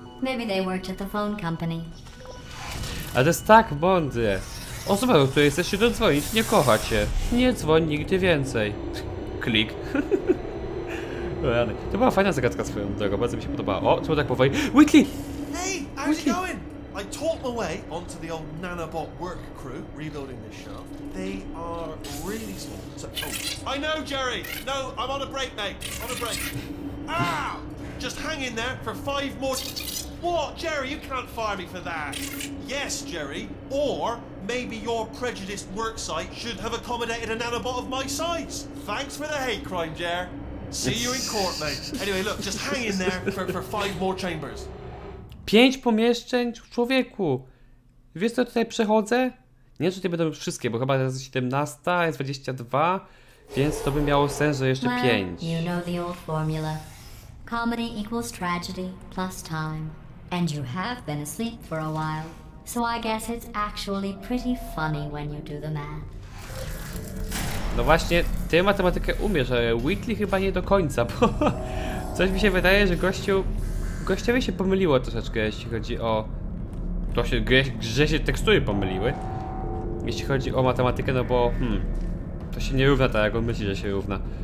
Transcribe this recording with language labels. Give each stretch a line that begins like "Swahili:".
English: Maybe they worked at the phone company.
Polish: A to jest tak mądre. Osoba, do której chcesz się dodzwonić, nie kocha cię. Nie dzwoń nigdy więcej. Klik. To była fajna zagadka swoją drogą, bardzo mi się podobała. O, czemu tak powoli? Whitley!
English: Hey, how's it going? I talked my way onto the old nanobot work crew rebuilding this shaft. They are really small. So, oh, I know, Jerry! No, I'm on a break, mate. On a break. Ah! Just hang in there for five more... What, Jerry? You can't fire me for that. Yes, Jerry. Or maybe your prejudiced worksite should have accommodated a nanobot of my size. Thanks for the hate crime, Jer. See you in court, mate. Anyway, look, just hang in there for five more chambers.
Polish: Pięć pomieszczeń? Człowieku! Wiesz, co tutaj przechodzę? Nie, czy to będą wszystkie, bo chyba teraz jest 17, jest 22, więc to by miało sens, że jeszcze 5.
English: Well, you know the old formula. Comedy equals tragedy plus time. And you have been asleep for a while. So I guess it's actually pretty funny when you do the math.
Polish: No właśnie, ty matematykę umiesz, ale Whitley chyba nie do końca, bo coś mi się wydaje, że gościowi się pomyliło troszeczkę, jeśli chodzi o... To się, grze się tekstury pomyliły. Jeśli chodzi o matematykę, no bo to się nie równa tak, jak on myśli, że się równa.